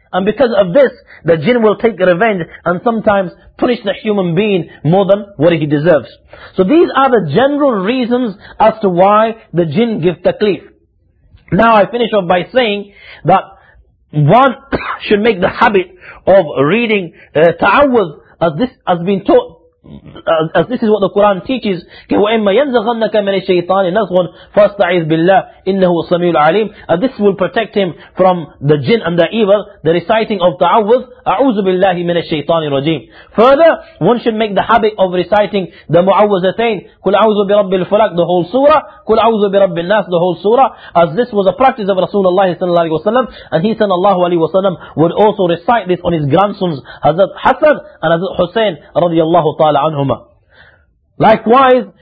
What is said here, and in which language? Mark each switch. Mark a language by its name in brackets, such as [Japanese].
[English] And because of this, the jinn will take revenge and sometimes punish the human being more than what he deserves. So these are the general reasons as to why the jinn give taklif. Now I finish off by saying that one should make the habit of reading ta'awwudh, as this has been taught. As this is what the Quran teaches, [Arabic] وَإِمَّا يَنْزَغَنَّكَ مِنَ الشَّيْطَانِ نَزْغٌ فَاسْتَعِذْ بِاللَّهِ إِنَّهُ السَّمِيعُ الْعَلِيمُ. [English] This will protect him from the jinn and the evil, the reciting of ta'awwudh, [Arabic] أَعُوذُ بِاللَّهِ مِنَ الشَّيْطَانِ الرَّجِيمِ. [English] Further, one should make the habit of reciting the mu'awwazatain, [Arabic] قُلْ أَعُوذُ بِرَبِّ الْفَلَقِ, [English] the whole surah, [Arabic] قُلْ أَعُوذُ بِرَبِّ النَّاسِ, [English] the whole surah, as this was a practice of Rasulullah sallallahu alaihi wasallam, and he sallallahu alaihi wasallam would also recite this on his grandsons Hazrat Hassan and Hazrat Hussein radiyallahu ta'ala anhuma. Likewise,